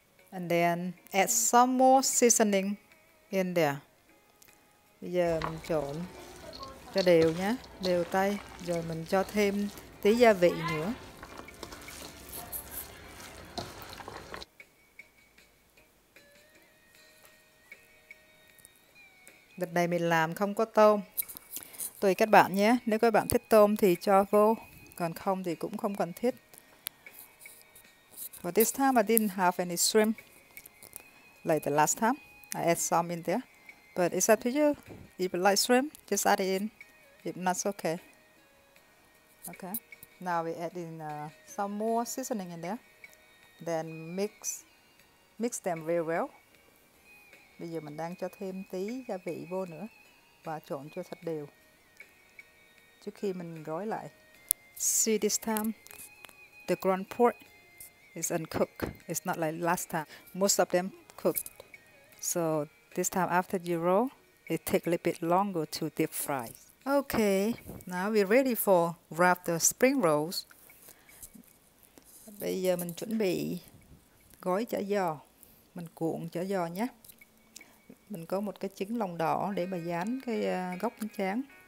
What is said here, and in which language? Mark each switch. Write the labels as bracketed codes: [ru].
[en] And then add some more seasoning in there. [vi] Bây giờ mình trộn cho đều nhé, đều tay. Rồi mình cho thêm tí gia vị nữa. Đợt này mình làm không có tôm. Tùy các bạn nhé. Nếu các bạn thích tôm thì cho vô. Còn không thì cũng không cần thiết. [en] But this time I didn't have any shrimp. Like the last time, I add some in there. But it's up to you. If you like shrimp, just add it in. If not, it's okay. Okay. Now we add in some more seasoning in there. Then mix them very well. [vi] Bây giờ mình đang cho thêm tí gia vị vô nữa và trộn cho thật đều trước khi mình gói lại. [en] See this time, the ground pork is uncooked. It's not like last time. Most of them cooked. So this time after you roll, it takes a little bit longer to deep fry. Okay, now we're ready for wrap the spring rolls. [vi] Bây giờ mình chuẩn bị gói chả giò. Mình cuộn chả giò nhé. Mình có một cái trứng lòng đỏ để mà dán cái góc bánh tráng.